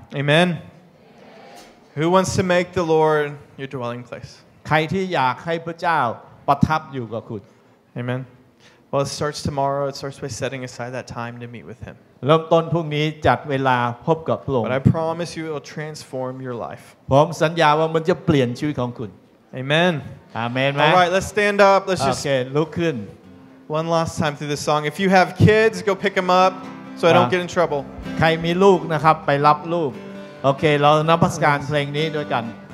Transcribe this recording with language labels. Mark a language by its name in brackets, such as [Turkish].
[English] อาเมน Who wants to make the Lord your dwelling place [Thai] ใครที่อยากให้พระเจ้าประทับอยู่กับคุณ [English] อาเมนWell, it starts tomorrow. It starts by setting aside that time to meet with Him. [Thai] เริ่มต้นพรุ่งนี้จัดเวลาพบกับพระองค์ [English] But I promise you, it will transform your life. [Thai] ผมสัญญาว่ามันจะเปลี่ยนชีวิตของคุณ [English] Amen. Amen. All right, let's stand up. Let's just [Thai] okay. ลุกขึ้น [English] One last time through this song. If you have kids, go pick them up so I don't get in trouble. [Thai] ใครมีลูกนะครับไปรับลูกโอเคเรานมัสการเพลงนี้ด้วยกัน